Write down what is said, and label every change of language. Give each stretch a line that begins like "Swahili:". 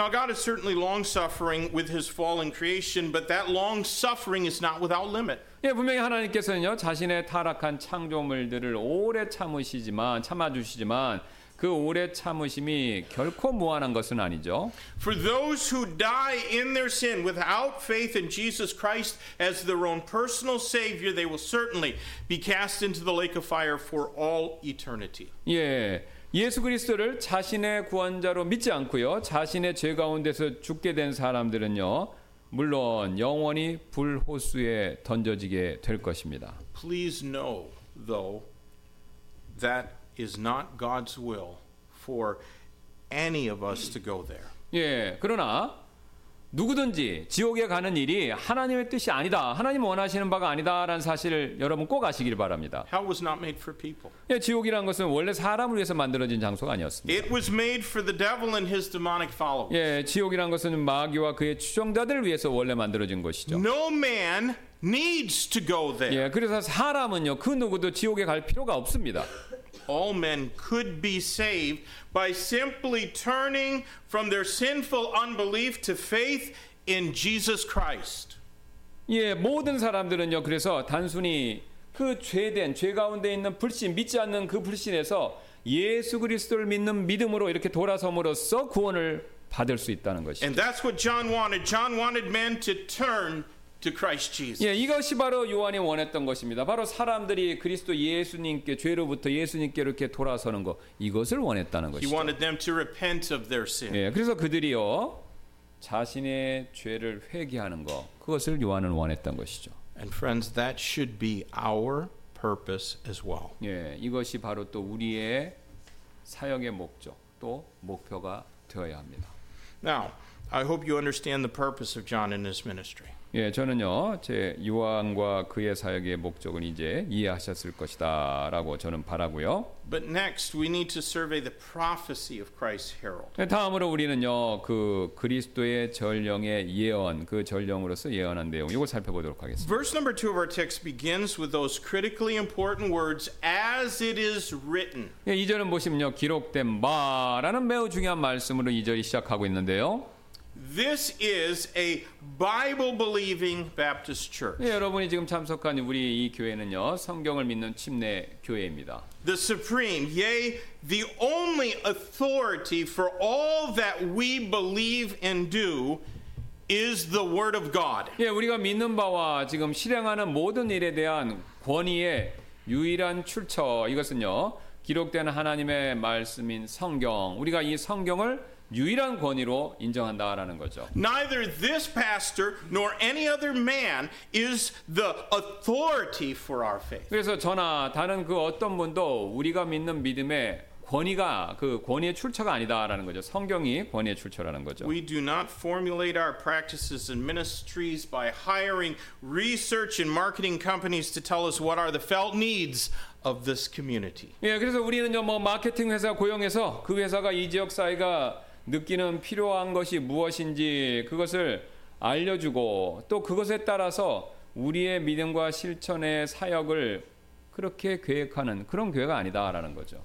English: Now God is certainly long-suffering with His fallen creation, but that long-suffering is not without limit.
Korean: 예, 분명히 하나님께서는요 자신의 타락한 창조물들을 오래 참으시지만 참아주시지만 그 오래 참으심이 결코 무한한 것은 아니죠.
English: For those who die in their sin without faith in Jesus Christ as their own personal Savior, they will certainly be cast into the lake of fire for all eternity.
Korean: 예, 예수 그리스도를 자신의 구원자로 믿지 않고요, 자신의 죄 가운데서 죽게 된 사람들은요, 물론 영원히 불호수에 던져지게 될 것입니다.
English: Please know, though, that is not God's will for any of us to go there.
Korean: 예, 그러나 누구든지 지옥에 가는 일이 하나님의 뜻이 아니다. 하나님 원하시는 바가 아니다라는 사실을 여러분 꼭 아시기를 바랍니다.
English: Hell was not made for people.
Korean: 예, 지옥이라는 것은 원래 사람을 위해서 만들어진 장소가 아니었습니다.
English: It was made for the devil and his demonic followers.
Korean: 예, 지옥이라는 것은 마귀와 그의 추종자들을 위해서 원래 만들어진 것이죠.
English: No man needs to go there.
Korean: 예, 그래서 사람은요, 그 누구도 지옥에 갈 필요가 없습니다.
English: All men could be saved by simply turning from their sinful unbelief to faith in Jesus Christ.
Korean: 예, 모든 사람들은요, 그래서 단순히 그 죄된 죄 가운데 있는 불신, 믿지 않는 그 불신에서 예수 그리스도를 믿는 믿음으로 이렇게 돌아섬으로써 구원을 받을 수 있다는 것이.
English: And that's what John wanted. John wanted men to turn to Christ Jesus.
Korean: 예, 이것이 바로 요한이 원했던 것입니다. 바로 사람들이 그리스도 예수님께 죄로부터 예수님께 이렇게 돌아서는 것, 이것을 원했다는 것이죠.
English: He wanted them to repent of their sin.
Korean: 예, 그래서 그들이요, 자신의 죄를 회개하는 것, 그것을 요한은 원했던 것이죠.
English: And friends, that should be our purpose as well.
Korean: 예, 이것이 바로 또 우리의 사역의 목적, 또 목표가 되어야 합니다.
English: Now, I hope you understand the purpose of John in his ministry.
Korean: 예, 저는요, 제 요한과 그의 사역의 목적은 이제 이해하셨을 것이다라고 저는 바라고요.
English: But next, we need to survey the prophecy of Christ's herald.
Korean: 예, 다음으로 우리는요, 그 그리스도의 전령의 예언, 그 전령으로서 예언한 내용 이걸 살펴보도록 하겠습니다.
English: Verse number two of our text begins with those critically important words, "As it is written."
Korean: 예, 이 절은 보시면요, 기록된 바라는 매우 중요한 말씀으로 이 절이 시작하고 있는데요.
English: This is a Bible-believing Baptist church.
Korean: 예, 여러분이 지금 참석한 우리 이 교회는요, 성경을 믿는 침례 교회입니다.
English: The supreme, yea, the only authority for all that we believe and do is the Word of God.
Korean: 예, 우리가 믿는 바와 지금 실행하는 모든 일에 대한 권위의 유일한 출처, 이것은요, 기록된 하나님의 말씀인 성경. 우리가 이 성경을 유일한 권위로 인정한다라는 거죠.
English: Neither this pastor nor any other man is the authority for our faith.
Korean: 그래서 저나 다른 그 어떤 분도 우리가 믿는 믿음의 권위가 그 권위의 출처가 아니다라는 거죠. 성경이 권위의 출처라는 거죠.
English: We do not formulate our practices and ministries by hiring research and marketing companies to tell us what are the felt needs of this community.
Korean: 예, 그래서 우리는요, 뭐 마케팅 회사 고용해서 그 회사가 이 지역 사회가 느끼는 필요한 것이 무엇인지 그것을 알려주고 또 그것에 따라서 우리의 믿음과 실천의 사역을 그렇게 계획하는 그런 교회가 아니다라는 거죠.